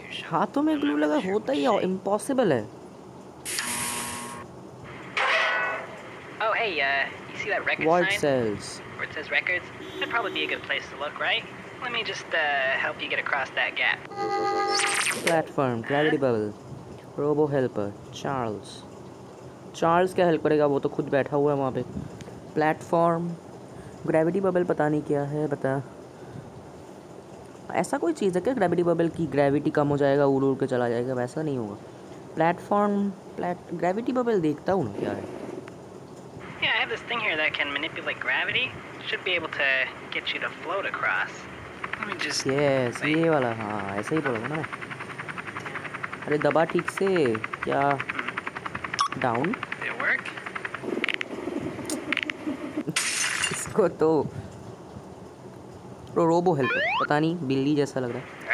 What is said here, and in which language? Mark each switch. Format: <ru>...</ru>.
<hi>हाथों में ग्लू लगा होता ही इम्पॉसिबल है।</hi> <en>Oh hey, you see that record sign? Void cells. Where it says records? That'd probably be a good place to look, right? Let me just help you get across that gap. Platform, gravity bubble, robo helper, Charles.</en> <hi>Charles क्या help करेगा, वो तो खुद बैठा हुआ है वहाँ पे। Platform, gravity bubble पता नहीं क्या है, बता। ऐसा कोई चीज़ है क्या ग्रेविटी बबल की, ग्रेविटी कम हो जाएगा उड़ उड़ के चला जाएगा, वैसा नहीं होगा। प्लेटफॉर्म, प्लेट ग्रेविटी बबल देखता हूँ क्या है।</hi> <en>Yeah, I have this thing here that can manipulate gravity. Should be able to get you to float across. Let me just...</en> <hi>Yes, ये वाला, हाँ ऐसे ही बोलोगे ना। अरे दबा ठीक से क्या? डाउन</hi> <en>work</en> <hi>इसको तो रोबो हेल्प, पता नहीं बिल्ली जैसा लग रहा है।</hi>